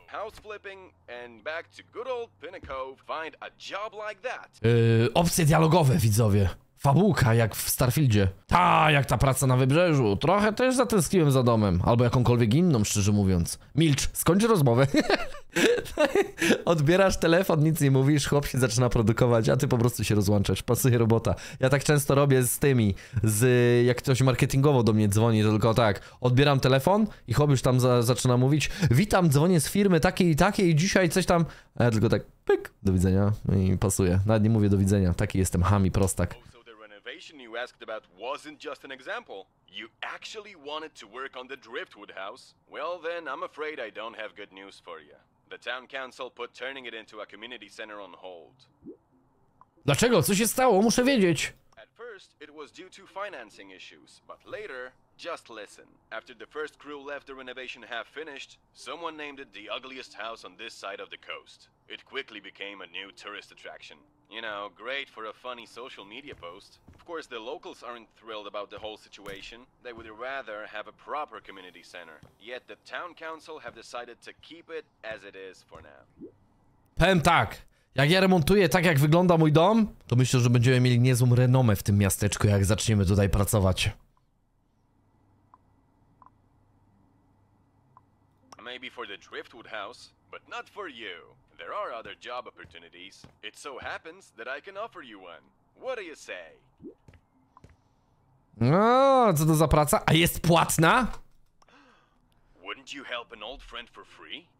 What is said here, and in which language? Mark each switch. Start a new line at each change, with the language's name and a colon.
English: House flipping and back to good old Pinnacove, find a job like that.
Polish: Opcje dialogowe, widzowie. Fabułka, jak w Starfieldzie. Ta, jak ta praca na wybrzeżu. Trochę też zatęskniłem za domem. Albo jakąkolwiek inną, szczerze mówiąc. Milcz, skończ rozmowę. Odbierasz telefon, nic nie mówisz, chłop się zaczyna produkować, a ty po prostu się rozłączasz. Pasuje robota. Ja tak często robię z tymi, z jak ktoś marketingowo do mnie dzwoni, to tylko tak. Odbieram telefon i chłop już tam zaczyna mówić. Witam, dzwonię z firmy takiej i takiej, dzisiaj coś tam. A ja tylko tak, pyk, do widzenia i pasuje. Nawet nie mówię do widzenia, taki jestem, chami, prostak.
English: You asked about wasn't just an example. You actually wanted to work on the driftwood house. Well, then I'm afraid I don't have good news for you. The town council put turning it into a community center on hold.
Polish: Dlaczego? Co się stało? Muszę wiedzieć.
English: At first, it was due to financing issues, but later, just listen. After the first crew left the renovation half finished, someone named it the ugliest house on this side of the coast. It quickly became a new tourist attraction. You know, great for a funny social media post. Of course, the locals aren't thrilled about the whole situation. They would rather have a proper community center. Yet the town council have decided to keep it as it is for now.
Polish: Powiem tak, jak ja remontuję tak, jak wygląda mój dom, to myślę, że będziemy mieli niezłą renomę w tym miasteczku, jak zaczniemy tutaj pracować.
English: Maybe for the driftwood house, but not for you. There are other job opportunities. It so happens that I can offer you one. What do you say?
Polish: No, co to za praca? A jest płatna?
English: Wouldn't you help an old friend for free?